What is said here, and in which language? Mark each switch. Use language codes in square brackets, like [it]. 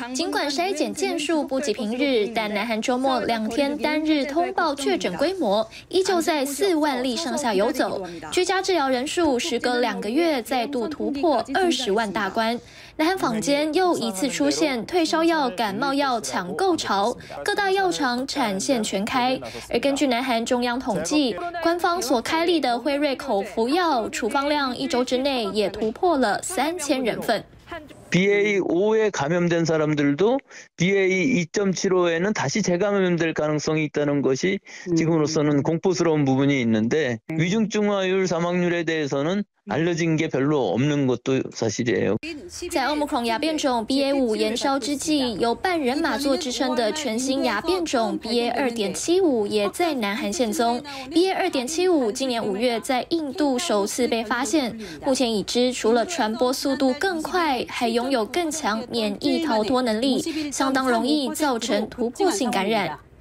[zh] 尽管筛检件数不及平日，但南韩周末两天单日通报确诊规模依旧在40000例上下游走，居家治疗人数时隔两个月再度突破20万大关。南韩坊间又一次出现退烧药、感冒药抢购潮，各大药厂产线全开。而根据南韩中央统计，官方所开立的辉瑞口服药处方量一周之内也突破了3000人份。 [ko] BA.5에 감염된 사람들도 BA.2.75 에는 다시 재감염될 가능성이 있다는 것이 지금으로서는 공포스러운 부분이 있는데 위중증화율 사망률에 대해서는알려진게별로없는것도사실이에요 [zh] 在奥密克戎亚变种 BA.5 延烧之际，有半人马座之称的全新亚变种 BA.2.75 也在南韩现踪。 BA.2.75 今年5月在印度首次被发现，目前已知除了传播速度更快，还拥有更强免疫逃脱能力，相当容易造成突破性感染。